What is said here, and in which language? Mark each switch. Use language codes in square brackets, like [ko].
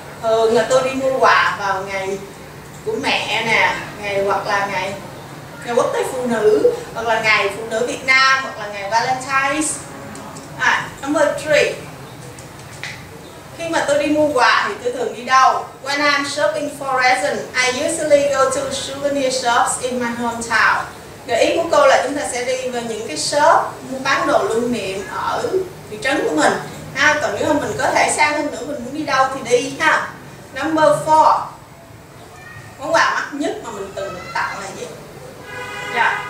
[vi] Thường là tôi đi mua quà vào ngày của mẹ nè, ngày hoặc là ngày quốc tế phụ nữ, hoặc là ngày phụ nữ Việt Nam, hoặc là ngày Valentine's. [en] Number 3. [vi] Khi mà tôi đi mua quà thì tôi thường đi đâu? [en] When I'm shopping for present, I usually go to souvenir shops in my hometown. [vi] Gợi ý của cô là chúng ta sẽ đi vào những cái shop bán đồ lưu niệm ở thị trấn của mình. Còn nếu mà mình có thể xa hơn nữa, mình muốn đi đâu thì đi ha. [en] Number 4. [vi] Món quà mắc nhất mà mình từng tặng là gì? Yeah.